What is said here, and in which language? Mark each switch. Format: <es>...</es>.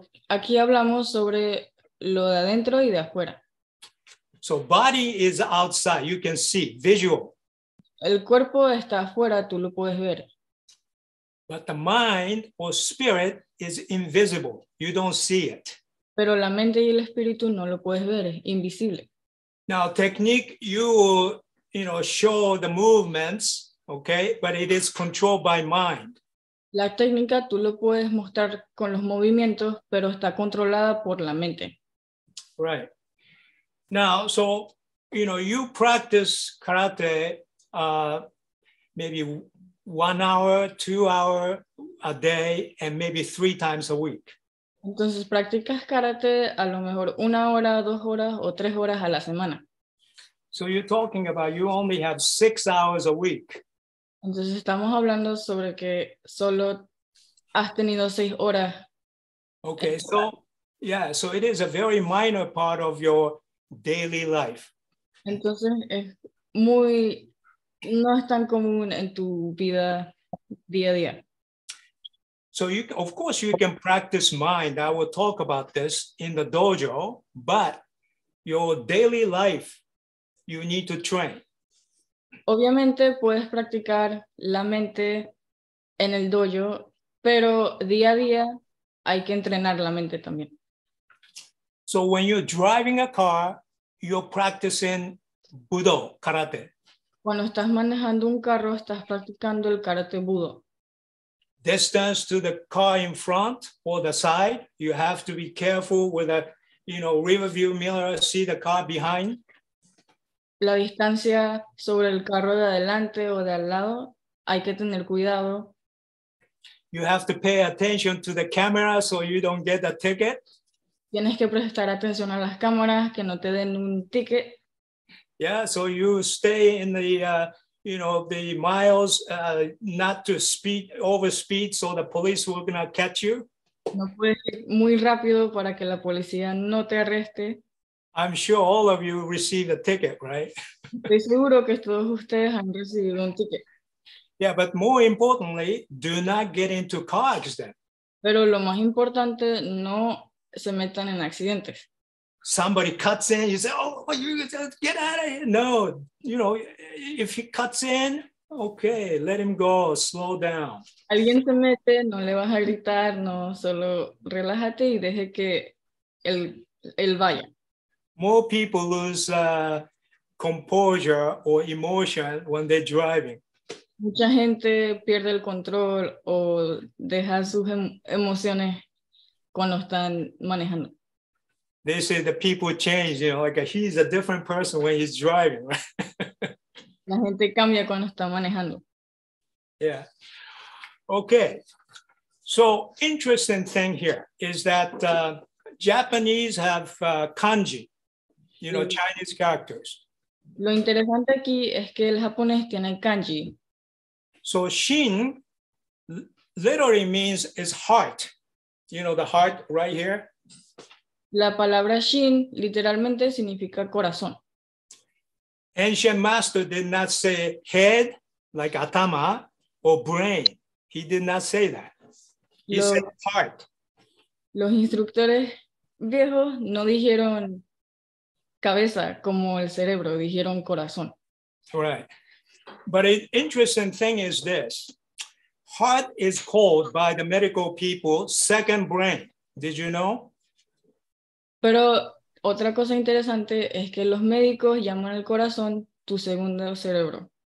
<es>Aquí hablamos sobre lo de adentro y de afuera.</es> <en>So body is outside, you can see, visual.</en> <es>El cuerpo está afuera, tú lo puedes ver.</es> <en>But the mind or spirit is invisible, you don't see it.</en> <es>Pero la mente y el espíritu no lo puedes ver, es invisible.</es> <en>Now technique, you show the movements, okay, but it is controlled by mind.</en> <es>La técnica tú lo puedes mostrar con los movimientos, pero está controlada por la mente.</es> <en>Right. Now, so, you know, you practice karate maybe 1 hour, 2 hours a day, and maybe 3 times a week.</en> <es>Entonces, practicas karate a lo mejor 1 hora, 2 horas o 3 horas a la semana.</es> <en>So you're talking about you only have 6 hours a week.</en> <es>Entonces estamos hablando sobre que solo has tenido 6 horas.</es> <en>Okay, so yeah, so it is a very minor part of your daily life.</en> <es>Entonces es muy, no es tan común en tu vida día a día.</es> <en>So you, of course you can practice mind, I will talk about this in the dojo, but your daily life, you need to train.</en> <es>Obviamente puedes practicar la mente en el dojo, pero día a día hay que entrenar la mente también.</es> <en>So when you're driving a car, you're practicing budo, karate.</en> <es>Cuando estás manejando un carro, estás practicando el karate budo.</es> <en>Distance to the car in front or the side, you have to be careful with a, you know, rear view mirror, see the car behind.</en> <es>La distancia sobre el carro de adelante o de al lado, hay que tener cuidado.</es> <en>You have to pay attention to the camera so you don't get a ticket.</en> <es>Tienes que prestar atención a las cámaras que no te den un ticket.</es> <en>Yeah, so you stay in the, you know, the miles, not to speed, over speed, so the police will not catch you.</en> <es>No puedes ir muy rápido para que la policía no te arreste.</es> <en>I'm sure all of you received a ticket, right?</en> <es>Estoy seguro que todos ustedes han recibido un ticket.</es> <en>Yeah, but more importantly, do not get into car accidents.</en> <es>Pero lo más importante, no se metan en accidentes.</es> <en>Somebody cuts in, you say, oh, you get out of here. No, you know, if he cuts in, okay, let him go, slow down.</en> <es>Alguien se mete, no le vas a gritar, no, solo relájate y deje que él vaya.</es> <en>More people lose composure or emotion when they're driving.</en> <es>Mucha gente pierde el control o deja sus emociones cuando están manejando.</es> <en>They say the people change, you know, like he's a different person when he's driving.</en> <es>La gente cambia cuando está manejando.</es> <en>Yeah. Okay. So interesting thing here is that Japanese have kanji. You know, Chinese characters.</en> <es>Lo interesante aquí es que el japonés tiene kanji.</es> <en>So Shin literally means is heart. You know, the heart right here.</en> <es>La palabra Shin literalmente significa corazón.</es> <en>Ancient master did not say head like atama or brain. He did not say that. He said heart.</en> <es>Los instructores viejos no dijeron cabeza, como el cerebro, dijeron corazón.</es> <en>Right. But an interesting thing is this. Heart is called by the medical people second brain. Did you know?</en> <es>Pero otra cosa interesante es que los médicos llaman al corazón tu segundo cerebro.</es>